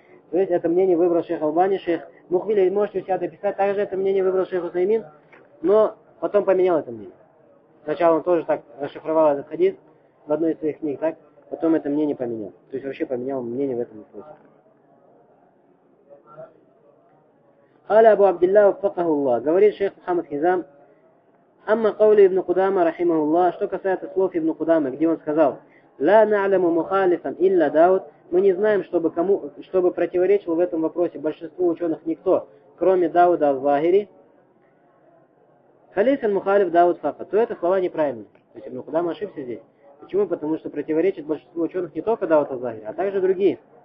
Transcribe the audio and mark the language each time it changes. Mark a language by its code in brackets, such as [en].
[ru] То есть это мнение выбрал шейх Албани, шейх Мухвили, можете у себя дописать, также это мнение выбрал шейх Усаймин, но потом поменял это мнение. Сначала он тоже так расшифровал этот хадис в одной из своих книг, так, потом это мнение поменял. То есть вообще поменял мнение в этом вопросе. [ar] قال أبو عبد الله وفقه الله. [ru] говорит [ar] شيخ محمد حزام. أما قول ابن قدامة رحمه الله. [ru] что касается слов ابن قدامة, где он сказал: [ar] لا نعلم مخالفا إلا داود. [ru] мы не знаем, чтобы кому, чтобы противоречил в этом вопросе большинству ученых никто, кроме Дауда аз-Захири. [ar] خليس المخالف داود فقط. [ru] то это слова неправильные. то есть ابن قدامة ошибся здесь. почему? потому что противоречит большинству ученых не только Дауд аз-Захири, а также другие.